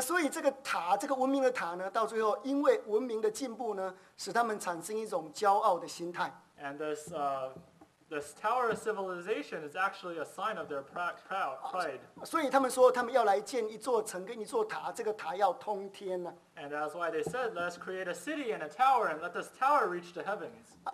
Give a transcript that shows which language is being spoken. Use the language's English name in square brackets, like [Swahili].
[Chinese] 所以这个塔，这个文明的塔呢，到最后因为文明的进步呢，使他们产生一种骄傲的心态。And [English] this tower of civilization is actually a sign of their pride. [Chinese] 所以他们说他们要来建一座城跟一座塔，这个塔要通天呢。And [English] that's why they said, let's create a city and a tower and let this tower reach the heavens.